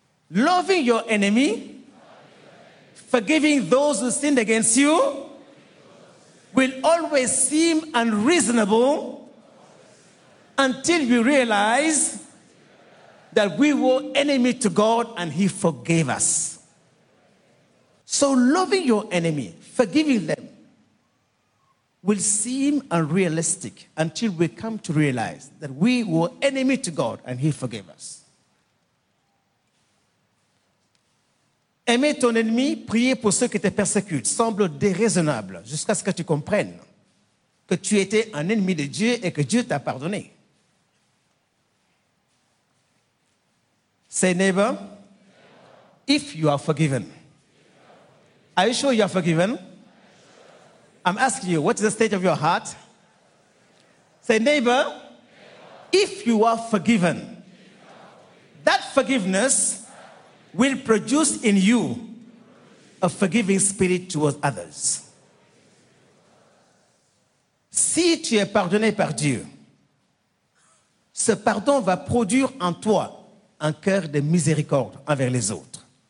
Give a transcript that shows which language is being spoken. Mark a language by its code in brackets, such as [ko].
[en] Loving your enemy, forgiving those who sinned against you, will always seem unreasonable until we realize that we were enemy to God and He forgave us. So loving your enemy, forgiving them, will seem unrealistic until we come to realize that we were enemy to God and He forgave us. [fr] Aimer ton ennemi, prier pour ceux qui te persécutent, semble déraisonnable jusqu'à ce que tu comprennes que tu étais un ennemi de Dieu et que Dieu t'a pardonné. [en] Say, neighbor, if you are forgiven, are you sure you are forgiven? I'm asking you, what is the state of your heart? Say, neighbor, if you are forgiven, that forgiveness will produce in you a forgiving spirit towards others. [fr] Si tu es pardonné par Dieu, ce pardon va produire en toi un cœur de miséricorde envers les autres.